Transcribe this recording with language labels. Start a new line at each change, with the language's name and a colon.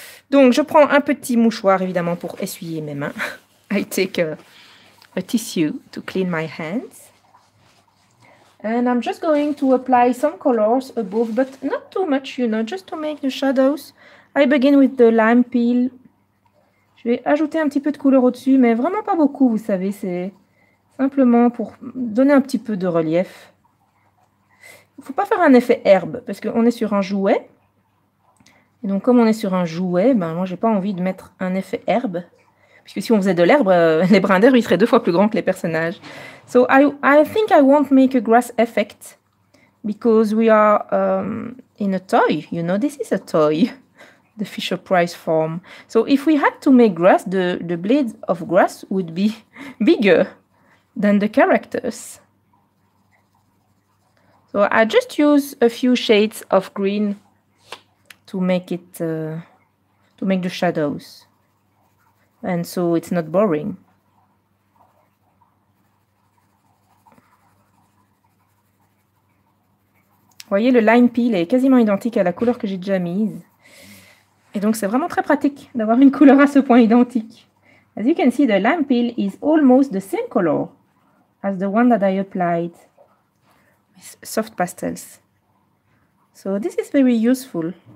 French: Donc, je prends un petit mouchoir, évidemment, pour essuyer mes mains.
English: I take a tissue to clean my hands. And I'm just going to apply some colors above, but not too much, you know, just to make the shadows. I begin with the lime peel.
French: Je vais ajouter un petit peu de couleur au-dessus, mais vraiment pas beaucoup, vous savez. C'est simplement pour donner un petit peu de relief. Il ne faut pas faire un effet herbe, parce qu'on est sur un jouet. Et donc, comme on est sur un jouet, ben, moi, je n'ai pas envie de mettre un effet herbe. Puisque si on faisait de l'herbe, les brins d'herbe, ils seraient deux fois plus grands que les personnages.
English: So, I think I won't make a grass effect, because we are in a toy. You know, this is a toy, the Fisher-Price form. So, if we had to make grass, the blades of grass would be bigger than the characters. So I just use a few shades of green to make it to make the shadows, and so it's not boring.
French: Voyez, le lime peel est quasiment identique à la couleur que j'ai déjà mise, et donc c'est vraiment très pratique d'avoir une couleur à ce point identique.
English: As you can see, the lime peel is almost the same color as the one that I applied. Soft pastels. So this is very useful.